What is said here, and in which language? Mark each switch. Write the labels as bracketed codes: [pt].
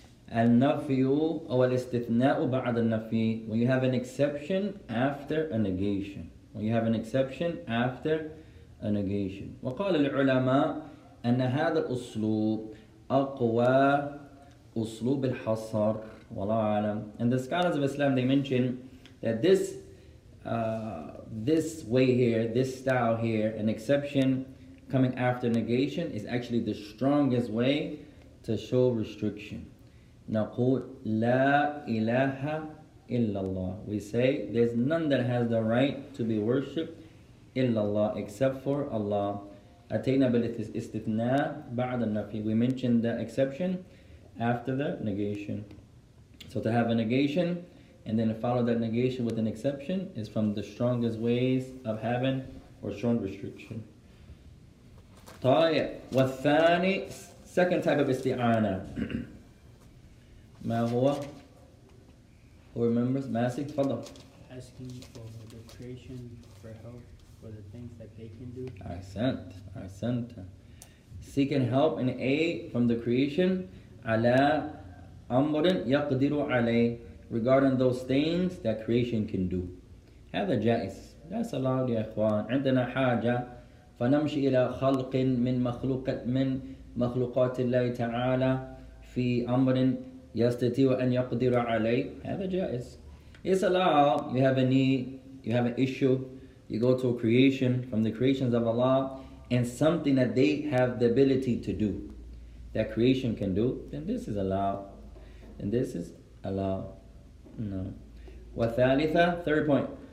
[ar] Al-Nafiyu aw al-istithna'u ba'd al-Nafi. [en] When you have an exception after a negation. When you have an exception after a negation. [ar] وقال العلماء أن هذا الأسلوب أقوى أسلوب الحصر. والله أعلم. [en] And the scholars of Islam, they mention that this way here, this style here, an exception coming after negation is actually the strongest way to show restriction. [ar] نقول لا إله إلا الله. [en] We say there's none that has the right to be worshipped [ar] إلا الله [en] except for Allah. [ar] أتينا بالاستثناء بعد النفي. [en] We mentioned the exception after the negation. So to have a negation and then to follow that negation with an exception is from the strongest ways of having or strong restriction. [ar] طيب والثاني [en] second type of [ar] استعانة ما هو [en] who remembers [ar] ماسي تفضل [en] asking for the creation for help for the things that they can do أحسنت seeking help and aid from the creation [ar] على أمر يقدر عليه [en] regarding those things that creation can do. [ar] هذا جائز. [en] That's allowed, يا إخوان. [ar] عندنا حاجة فنمشي إلى خلق من مخلوقات الله تعالى في أمر يستطيع أن يقدر عليه. هذا جائز. [en] It's allowed. You have a need. You have an issue. You go to a creation from the creations of Allah and something that they have the ability to do that creation can do. Then this is allowed. And this is allowed. No. وَثَالِثَ Third point.